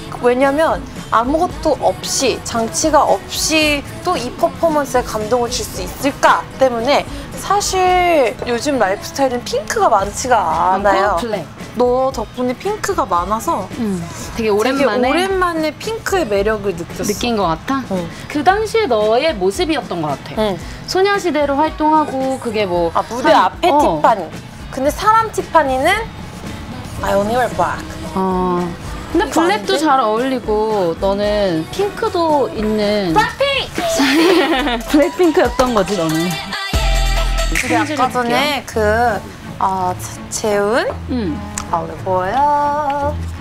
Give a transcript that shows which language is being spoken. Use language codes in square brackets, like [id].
[ko] 왜냐면 아무것도 없이, 장치가 없이 또 이 퍼포먼스에 감동을 줄 수 있을까 때문에 사실 요즘 라이프스타일은 핑크가 많지가 않아요. 블랙. 너 덕분에 핑크가 많아서 되게 오랜만에 핑크의 매력을 느꼈어. 느낀 것 같아? 그 당시에 너의 모습이었던 것 같아. 소녀시대로 활동하고 그게 뭐 무대 앞에 티파니. 근데 사람 티파니는 [en] I only wear black. [ko] 근데 블랙도 잘 어울리고 너는 핑크도 있는 블랙핑크! 블랙핑크였던 거지 너는. 우리 아까 전에 그 재훈? 오늘 뭐예요?